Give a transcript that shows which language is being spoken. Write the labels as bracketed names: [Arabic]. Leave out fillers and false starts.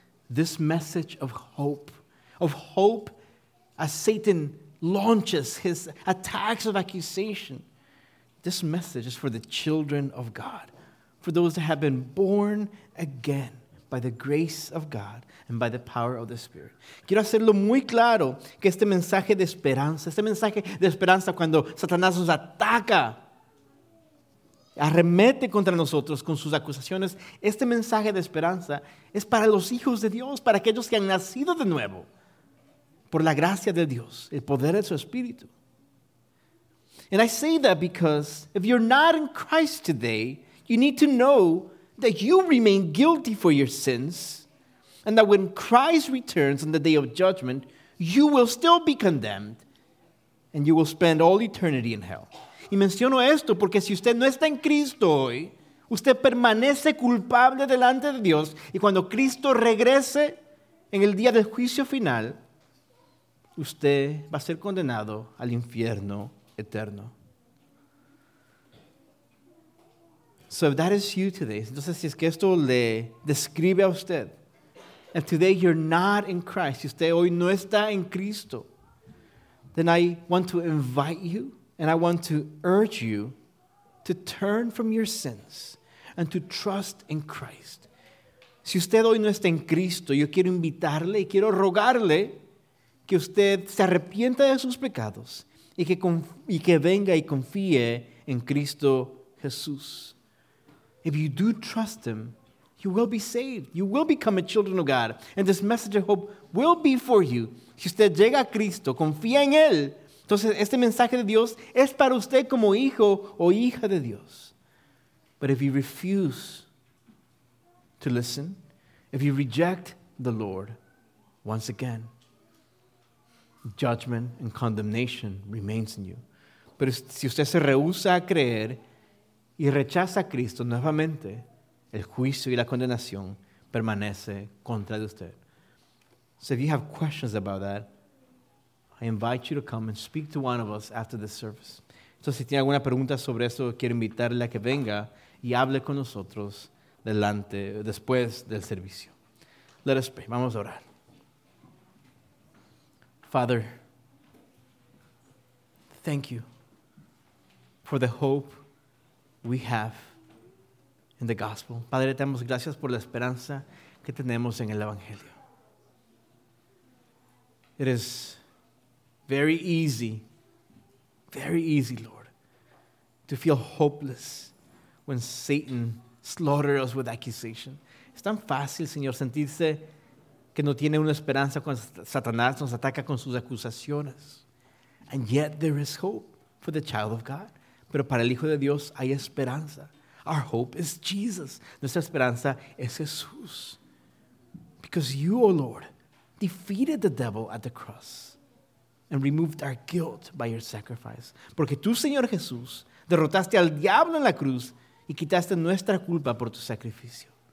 [English] This message of hope as Satan launches his attacks of accusation, this message is for the children of God, for those that have been born again by the grace of God and by the power of the Spirit. [Spanish] Quiero hacerlo muy claro que este mensaje de esperanza cuando Satanás nos ataca, arremete contra nosotros con sus acusaciones, este mensaje de esperanza es para los hijos de Dios, para aquellos que han nacido de nuevo por la gracia de Dios, el poder de su Espíritu. [English] And I say that because if you're not in Christ today, you need to know that you remain guilty for your sins and that when Christ returns on the day of judgment, you will still be condemned and you will spend all eternity in hell. [Spanish] Y menciono esto porque si usted no está en Cristo hoy, usted permanece culpable delante de Dios y cuando Cristo regrese en el día del juicio final, usted va a ser condenado al infierno eterno. [English] So if that is you today, [Spanish] entonces si es que esto le describe a usted, [English] if today you're not in Christ, [Spanish] si usted hoy no está en Cristo, [English] then I want to invite you and I want to urge you to turn from your sins and to trust in Christ. [Spanish] Si usted hoy no está en Cristo, yo quiero invitarle y quiero rogarle que usted se arrepienta de sus pecados y que venga y confíe en Cristo Jesús. [English] If you do trust him, you will be saved. You will become a children of God. And this message of hope will be for you. [Spanish] Si usted llega a Cristo, confía en él. Entonces, este mensaje de Dios es para usted como hijo o hija de Dios. [English] But if you refuse to listen, if you reject the Lord, once again, judgment and condemnation remains in you. [Spanish] Pero si usted se rehúsa a creer y rechaza a Cristo nuevamente, el juicio y la condenación permanece contra de usted. [English] So if you have questions about that, I invite you to come and speak to one of us after this service. [Spanish] Entonces, si tiene alguna pregunta sobre eso, quiero invitarle a que venga y hable con nosotros delante, después del servicio. [English] Let us pray. [Spanish] Vamos a orar. [English] Father, thank you for the hope we have in the gospel. [Spanish] Padre, te damos gracias por la esperanza que tenemos en el Evangelio. [English] It is very easy, Lord, to feel hopeless when Satan slaughters us with accusation. [Spanish] Es tan fácil, Señor, sentirse que no tiene una esperanza cuando Satanás nos ataca con sus acusaciones. [English] And yet there is hope for the child of God. [Spanish] Pero para el Hijo de Dios hay esperanza. [English] Our hope is Jesus. [Spanish] Nuestra esperanza es Jesús. [English] Because you, O Lord, defeated the devil at the cross and removed our guilt by your sacrifice. [Spanish] Porque tú, Señor Jesús, derrotaste al diablo en la cruz y quitaste nuestra culpa por tu sacrificio.